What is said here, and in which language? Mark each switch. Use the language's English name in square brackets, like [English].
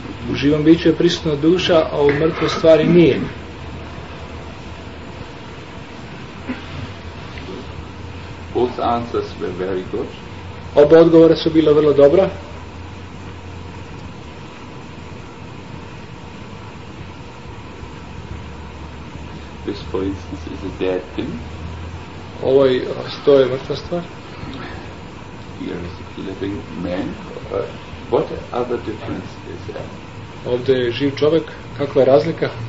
[Croatian] U živom biću je prisutna duša, a u mrtvoj stvari nije. [English] Both answers were very good. [Croatian] Oba odgovora su bila vrlo dobra. [English] This, for instance, is a dead thing. [Croatian] Ovo je, to je mrtva stvar. [English] Here is a living man. What other difference is there? [Croatian] Ovdje je živ čovjek, kakva je razlika?